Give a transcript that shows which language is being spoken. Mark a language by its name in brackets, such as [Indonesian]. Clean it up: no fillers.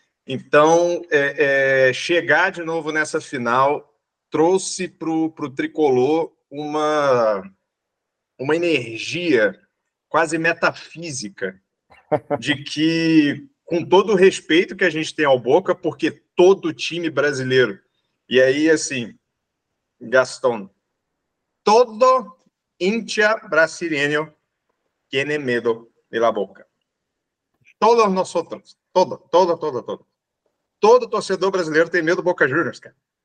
[Portuguese] Então, chegar de novo nessa final trouxe para o tricolor uma energia quase metafísica de que, com todo o respeito que a gente tem ao Boca, porque todo time brasileiro... E aí, assim, [Spanish] Gastón, todo hincha brasileño tiene medo de la Boca. [Portuguese] Todos nós, todo. Todo torcedor brasileiro tem medo do Boca Juniors, cara.